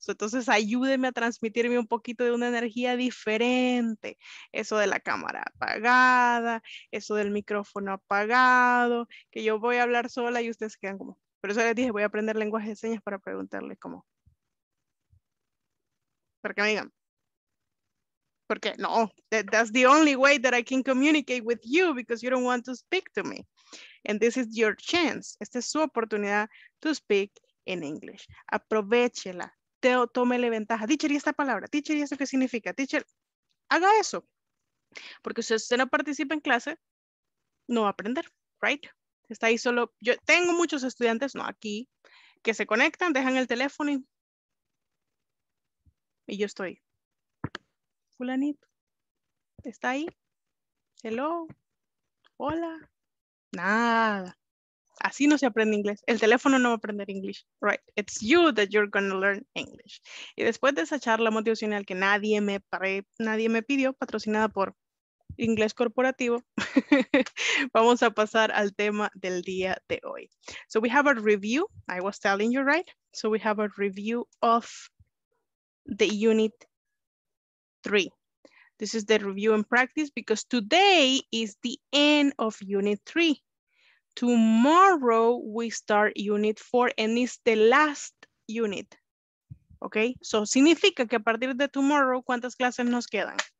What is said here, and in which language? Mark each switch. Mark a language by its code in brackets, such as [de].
[es] Entonces ayúdeme a transmitirme un poquito de una energía diferente, eso de la cámara apagada, eso del micrófono apagado, que yo voy a hablar sola y ustedes quedan como, por eso les dije, voy a aprender lenguaje de señas para preguntarle como, para que me digan. Porque no, [en] that's the only way that I can communicate with you because you don't want to speak to me. And this is your chance. [es] Esta es su oportunidad [en] to speak in English. [es] Aprovechela. Tómele ventaja. Teacher, ¿y esta palabra? Teacher, ¿y eso qué significa? Teacher, haga eso. Porque si usted no participa en clase, no va a aprender, right? Está ahí solo. Yo tengo muchos estudiantes, no aquí, que se conectan, dejan el teléfono y yo estoy. Fulanito, ¿está ahí? Hello, hola, nada. Así no se aprende inglés. El teléfono no va a aprender inglés, right? [en] It's you that you're gonna learn English. [es] Y después de esa charla motivacional que nadie me pidió, patrocinada por Inglés Corporativo, vamos a pasar al tema del día de hoy. [en] So we have a review. I was telling you, right? So we have a review of the unit 3. This is the review and practice because today is the end of unit 3. Tomorrow we start unit 4 and it's the last unit. Okay? [es] So significa que a partir de tomorrow, ¿cuántas clases nos quedan?